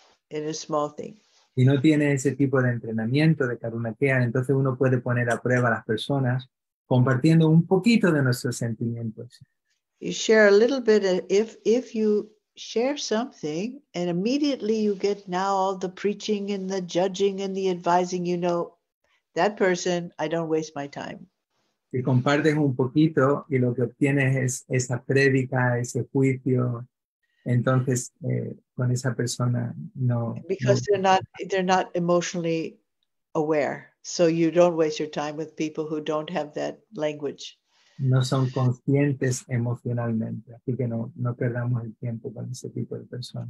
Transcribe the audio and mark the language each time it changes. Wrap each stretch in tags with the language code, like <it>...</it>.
<es>Si no tiene ese tipo de entrenamiento de Karuna Care, entonces uno puede poner a prueba a las personas compartiendo un poquito de nuestros sentimientos.</es> <en>You share a little bit if you share something and immediately you get now all the preaching and the judging and the advising, you know, that person, I don't waste my time.</en> <es>Y compartes un poquito y lo que obtienes es esa prédica, ese juicio. Entonces, con esa persona no.</es> <en>Because they're not emotionally aware, so you don't waste your time with people who don't have that language.</en> <es>No son conscientes emocionalmente, así que no perdamos el tiempo con ese tipo de personas.</es>